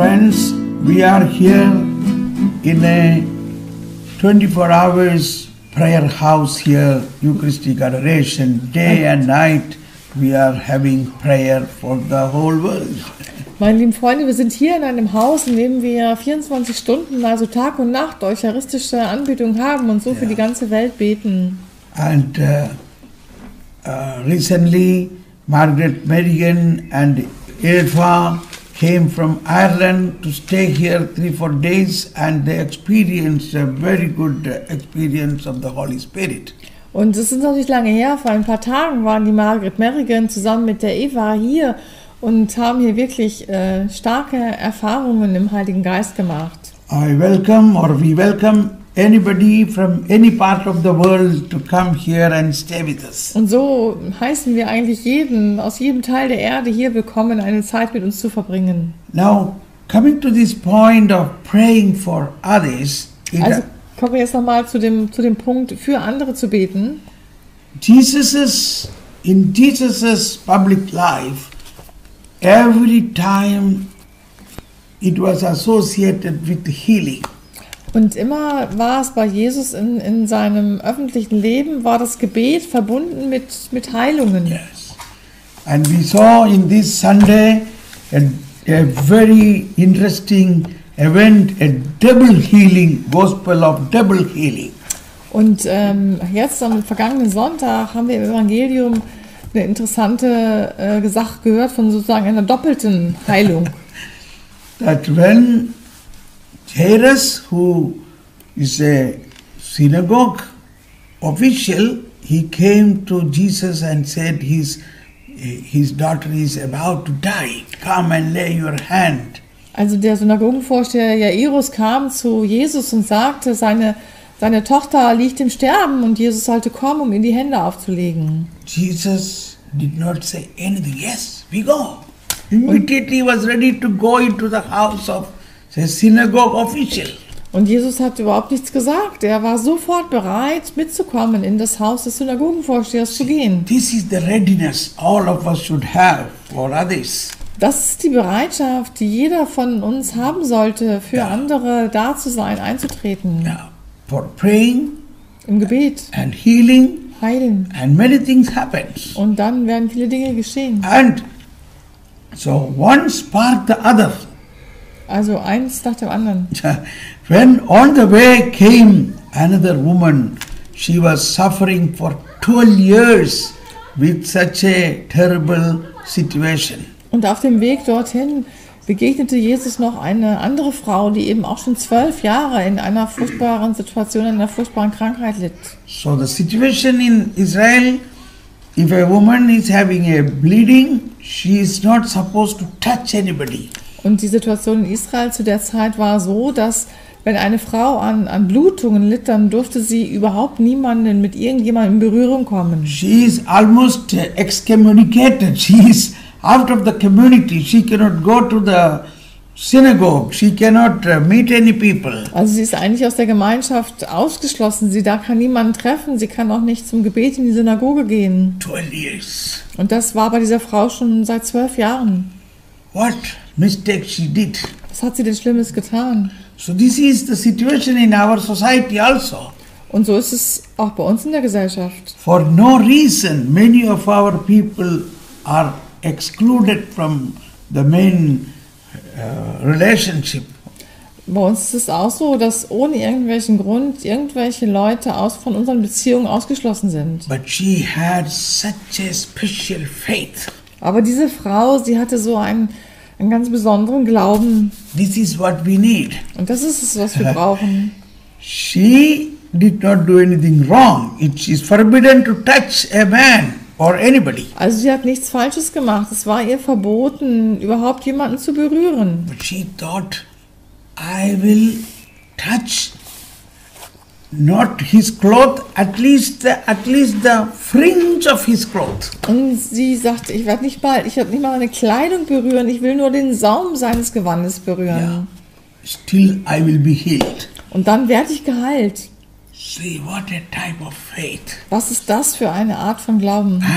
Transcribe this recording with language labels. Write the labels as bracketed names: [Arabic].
[English] Here in a 24 hours prayer house here, Eucharistic Adoration, day and night, we are having prayer for the whole world. [German] Meine lieben Freunde, wir sind hier in einem Haus, in dem wir 24 Stunden, also Tag und Nacht, eucharistische Anbetung haben und so für die ganze Welt beten. [English] And recently, Margaret Marion and Eva came from Ireland to stay here 3-4 days and they experienced a very good experience of the Holy Spirit. [German] Und es ist noch nicht lange her, vor ein paar Tagen waren die Margaret Merrigan zusammen mit der Eva hier und haben hier wirklich starke Erfahrungen im Heiligen Geist gemacht. [English] I welcome or we welcome anybody from any part of the world to come here and stay with us. [German] Und so heißen wir eigentlich jeden aus jedem Teil der Erde hier willkommen, eine Zeit mit uns zu verbringen. [English] Now, coming to this point of praying for others. [German] Also kommen wir jetzt nochmal zu dem Punkt, für andere zu beten. [English] In Jesus' public life, every time it was associated with healing. [German] Und immer war es bei Jesus in seinem öffentlichen Leben, war das Gebet verbunden mit Heilungen. [English] Yes. And we saw in this Sunday a very interesting event, a double healing, gospel of double healing. [German] Und jetzt am vergangenen Sonntag haben wir im Evangelium eine interessante Sache gehört von sozusagen einer doppelten Heilung. [English] That when Jairus, who is a synagogue official, he came to Jesus and said his daughter is about to die. Come and lay your hand. [German] Also der Synagogenvorsteher Jairus kam zu Jesus und sagte, seine Tochter liegt im Sterben und Jesus sollte kommen, um ihm die Hände aufzulegen. [English] Jesus did not say anything. Yes, we go. Immediately was ready to go into the house of the synagogue official. [German] Und Jesus hat überhaupt nichts gesagt. Er war sofort bereit, mitzukommen, in das Haus des Synagogenvorstehers zu gehen. [English] This is the readiness all of us should have for others. [German] Das ist die Bereitschaft, die jeder von uns haben sollte, für andere da zu sein, einzutreten. [English] Now, for praying, [German] im Gebet, [English] and healing, [German] heilen, [English] and many things happen. [German] Und dann werden viele Dinge geschehen. [English] And so one sparked the other. [German] Also eins nach dem anderen. [English] When on the way came another woman, she was suffering for 12 years with such a terrible situation. [German] Und auf dem Weg dorthin begegnete Jesus noch eine andere Frau, die eben auch schon 12 Jahre in einer furchtbaren Situation, in einer furchtbaren Krankheit litt. [English] So the situation in Israel, if a woman is having a bleeding, she is not supposed to touch anybody. [German] Und die Situation in Israel zu der Zeit war so, dass wenn eine Frau an Blutungen litt, dann durfte sie überhaupt niemanden mit irgendjemandem in Berührung kommen. [English] She is almost excommunicated. She is out of the community. She cannot go to the synagogue. She cannot meet any people. [German] Also sie ist eigentlich aus der Gemeinschaft ausgeschlossen. Sie da kann niemanden treffen. Sie kann auch nicht zum Gebet in die Synagoge gehen. [English] 12 years. [German] Und das war bei dieser Frau schon seit 12 Jahren. [English] What mistake she did. [German] Was hat sie denn Schlimmes getan? [English] So this is the situation in our society also. [German] Und so ist es auch bei uns in der Gesellschaft. [English] For no reason many of our people are excluded from the main relationship. [German] Bei uns ist es auch so, dass ohne irgendwelchen Grund irgendwelche Leute von unseren Beziehungen ausgeschlossen sind. [English] But she had such a special faith. [German] Aber diese Frau, sie hatte so einen ganz besonderen Glauben. [English] This is what we need. [German] Und das ist es, was wir brauchen. [English] She did not do anything wrong. It is forbidden to touch a man or anybody. [German] Also sie hat nichts Falsches gemacht. Es war ihr verboten, überhaupt jemanden zu berühren. [English] But she thought, I will touch not his cloth, at least the fringe of his cloth. [German] Und sie sagte, ich werde nicht mal meine Kleidung berühren, ich will nur den Saum seines Gewandes berühren. [English] Yeah. Still I will be healed. [German] Und dann werde ich geheilt. [English] See, what a type of faith. [German] Was ist das für eine Art von Glauben?